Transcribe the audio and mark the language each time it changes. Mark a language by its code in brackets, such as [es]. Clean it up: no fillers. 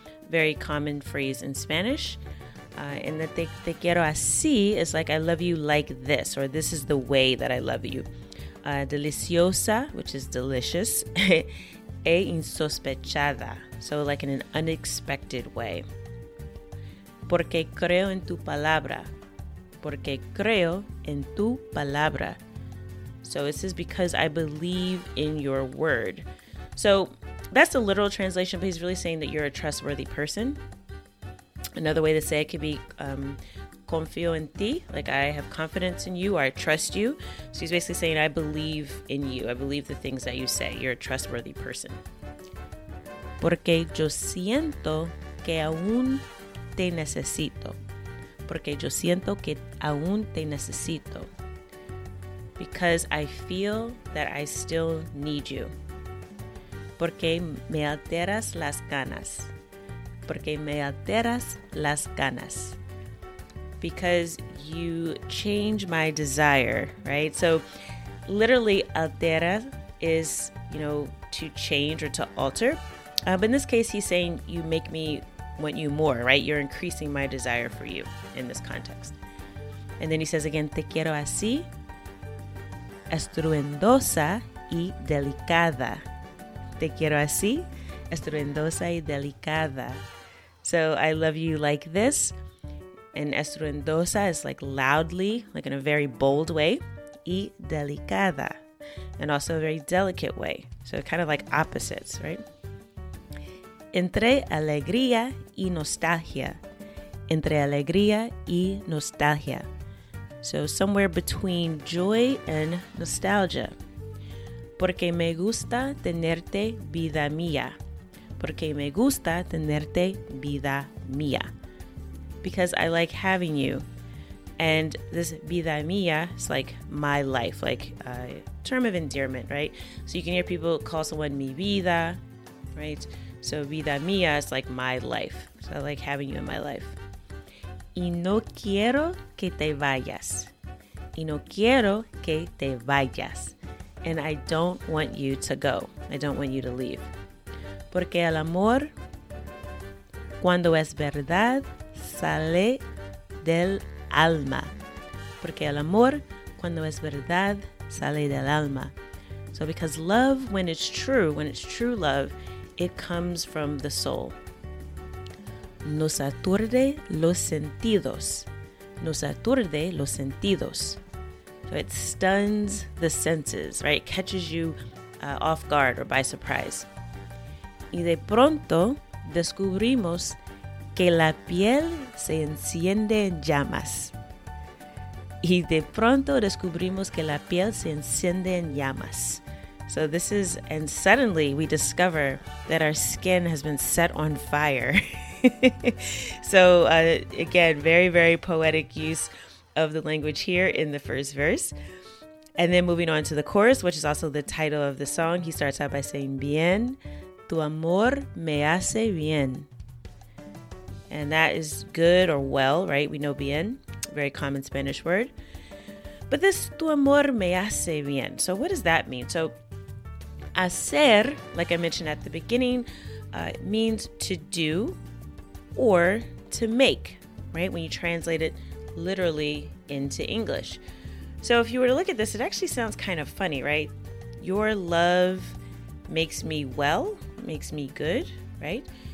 [en] Very common phrase in Spanish. And the [es] te quiero así [en] is like, I love you like this, or this is the way that I love you. Deliciosa, which is delicious, [es] e insospechada, [en] so like in an unexpected way. [es] Porque creo en tu palabra, porque creo en tu palabra. [en] So it says, because I believe in your word. So that's the literal translation, but he's really saying that you're a trustworthy person. Another way to say it could be [es] confío en ti, [en] like I have confidence in you or I trust you. So he's basically saying, I believe in you. I believe the things that you say. You're a trustworthy person. [es] Porque yo siento que aún te necesito. Porque yo siento que aún te necesito. [en] Because I feel that I still need you. [es] Porque me alteras las ganas. Porque me alteras las ganas. [en] Because you change my desire, right? So literally altera is, you know, to change or to alter. But in this case, he's saying you make me want you more, right? You're increasing my desire for you in this context. And then he says again, [es] te quiero así, estruendosa y delicada. Te quiero así, estruendosa y delicada. [en] So I love you like this, and estruendosa is like loudly, like in a very bold way, [es] y delicada, [en] and also a very delicate way. So kind of like opposites, right? [es] Entre alegría y nostalgia. Entre alegría y nostalgia. [en] So somewhere between joy and nostalgia. [es] Porque me gusta tenerte vida mía. Porque me gusta tenerte vida mía. [en] Because I like having you. And this vida mía is like my life, like a term of endearment, right? So you can hear people call someone mi vida, right? So vida mía is like my life. So I like having you in my life. [es] Y no quiero que te vayas. Y no quiero que te vayas. [en] And I don't want you to go. I don't want you to leave. [es] Porque el amor, cuando es verdad, sale del alma. Porque el amor, cuando es verdad, sale del alma. [en] So because love, when it's true love, it comes from the soul. [es] Nos aturde los sentidos. Nos aturde los sentidos. [en] So it stuns the senses, right? It catches you off guard or by surprise. [es] Y de pronto descubrimos que la piel se enciende en llamas. Y de pronto descubrimos que la piel se enciende en llamas. [en] So this is, and suddenly we discover that our skin has been set on fire. So again, very, very poetic use of the language here in the first verse. And then moving on to the chorus, which is also the title of the song, he starts out by saying, [es] bien, tu amor me hace bien. [en] And that is good or well, right? We know bien, very common Spanish word. But this [es] tu amor me hace bien. [en] So what does that mean? So hacer, like I mentioned at the beginning, means to do or to make, right? When you translate it literally into English. So if you were to look at this, it actually sounds kind of funny, right? Your love makes me well, makes me good, right?